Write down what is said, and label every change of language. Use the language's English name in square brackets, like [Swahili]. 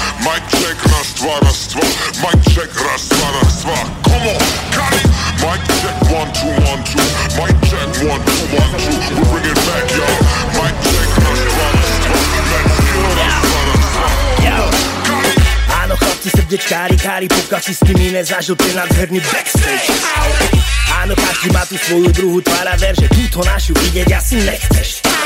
[English] Mic check, [Russian] раз, два, раз, два. Mic check, раз, два, раз, два. [English] Come on, got it. Mic check, one, two, one, two. Mic check, one, two, one, two. We bring it back, y'all. Mic check, [Russian] раз, два, раз, два. [English] Let's go, [Russian] раз, два, раз, два. [English] Yo, got it. [Slovak] Áno, chlapci, srdiečkári, kári, pukači, s tými nezažil ten nadherný backstage. Áno, každý má tú svoju druhú tvár a ver, že túto našu vidieť asi nechceš.